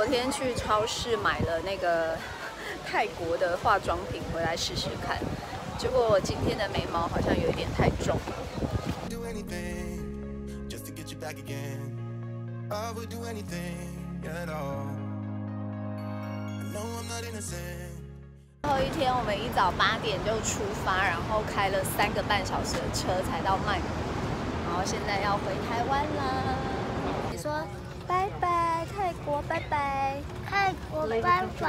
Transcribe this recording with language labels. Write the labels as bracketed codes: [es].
[zh] 去超市买了那个泰国的化妆品回来试试看，结果我今天的眉毛好像有一点太重了。 [en] Do anything just to get you back again. I would do anything at all. No, I'm not innocent. [zh] 最后一天我们一早8点就出发，然后开了3个半小时的车才到曼谷，然后现在要回台湾了。你说拜拜泰国，拜拜泰国，拜拜。